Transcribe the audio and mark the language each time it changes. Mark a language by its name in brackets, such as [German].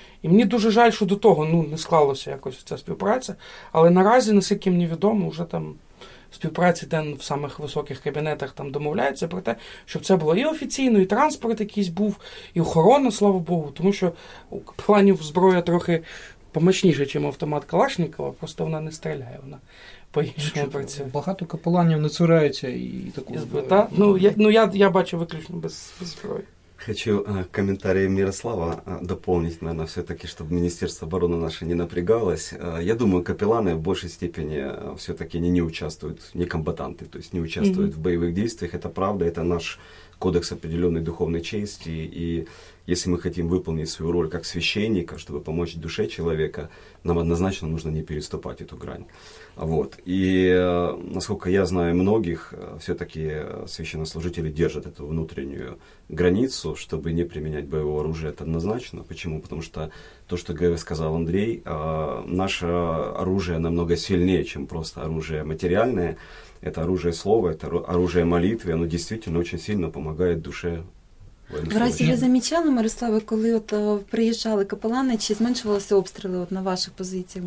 [Ukrainian] І мені дуже жаль, що до того, ну, не склалося якось ця співпраця, але наразі, наскільки мені відомо, вже там співпраці де в самих високих кабінетах там домовляються про те, щоб це було і офіційно, і транспорт якийсь був, і охорона, слава Богу, тому що у капеланів зброя трохи помічніша, ніж автомат Калашникова, просто вона не стріляє, вона по-іншому працює. Багато капеланів не цураються і таку зброю. Та? Ну, я бачу виключно без зброї. [Russian] Хочу комментарии Мирослава дополнить, наверное, все-таки, чтобы Министерство обороны наше не напрягалось. Я думаю, капелланы в большей степени все-таки не участвуют, не комбатанты, то есть не участвуют в боевых действиях. Это правда, это наш кодекс определенной духовной чести. И если мы хотим выполнить свою роль как священника, чтобы помочь душе человека, нам однозначно нужно не переступать эту грань. Вот. И, насколько я знаю, многих все-таки священнослужители держат эту внутреннюю границу, чтобы не применять боевое оружие, это однозначно. Почему? Потому что то, что сказал Андрей, наше оружие намного сильнее, чем просто оружие материальное. Это оружие слова, это оружие молитвы, оно действительно очень сильно помогает душе [Ukrainian] В разі ви замічали, Мирославе, коли от приїжджали капелани, чи зменшувалися обстріли от на ваших позиціях?